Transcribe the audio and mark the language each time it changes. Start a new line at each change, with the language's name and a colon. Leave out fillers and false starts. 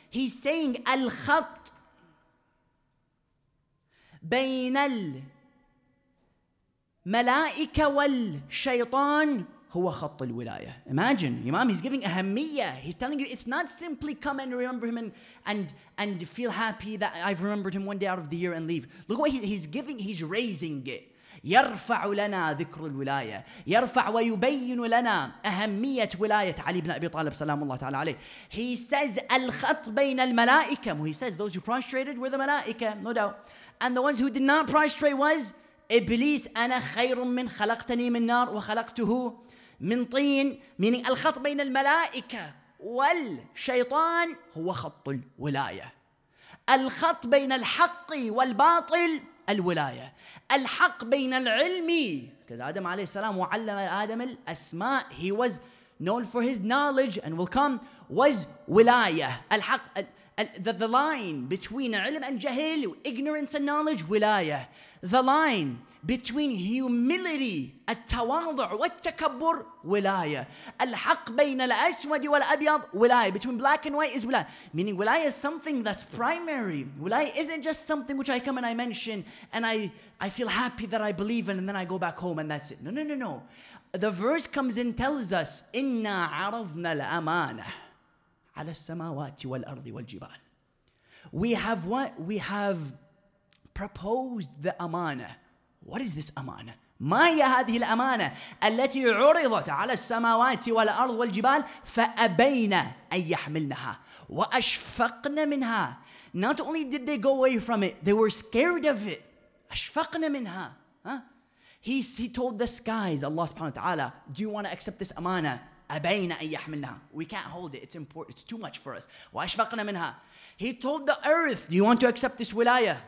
English: He's saying
Arabic: al-khat bayn al-malaika wal-shaytan huwa khat al-wilaya.
English: Imagine, Imam, he's giving ahamiyya. He's telling you it's not simply come and remember him and feel happy that I've remembered him one day out of the year and leave. Look what he's giving, he's raising it.
Arabic: يرفع لنا ذكر الولاية يرفع ويبين لنا أهمية ولاية علي بن أبي طالب سلام الله تعالى عليه.
English: He says
Arabic: الخط بين الملائكة.
English: He says those who prostrated were the ملائكة, no doubt. And the ones who did not prostrate was إبليس.
Arabic: أنا خير من خلقتني من نار وخلقته من طين. Meaning الخط بين الملائكة والشيطان هو خط الولاية. الخط بين الحق والباطل الولاية. الحق بين العلم,
English: because Adam
Arabic: عليه السلام وعلم آدم الأسماء,
English: he was known for his knowledge and will come, was ولاية. الحق, the line between علم and جهل, ignorance and knowledge, ولاية. The line between humility,
Arabic: التواضع والتكبر,
English: ولاية.
Arabic: الحق بين الأسود والأبيض, ولاية.
English: Between black and white is ولاية. Meaning ولاية is something that's primary. ولاية isn't just something which I come and I mention and I feel happy that I believe in and then I go back home and that's it. No. The verse comes and tells us,
Arabic: إِنَّا عَرَضْنَا الْأَمَانَةِ عَلَى السَّمَاوَاتِ وَالْأَرْضِ وَالْجِبَالِ.
English: We have what? We have proposed the amana. What is this amana?
Arabic: ما هي هذه الأمانة التي عرضت على السماوات والأرض والجبال فأبينا أن يحملنها وأشفقنا منها.
English: Not only did they go away from it, they were scared of it.
Arabic: أشفقنا منها.
English: He told the skies, Allah subhanahu wa ta'ala, do you want to accept this amana?
Arabic: أبينا أن يحملنها.
English: We can't hold it. It's important. It's too much for us.
Arabic: وأشفقنا منها.
English: He told the earth, do you want to accept this wilaya?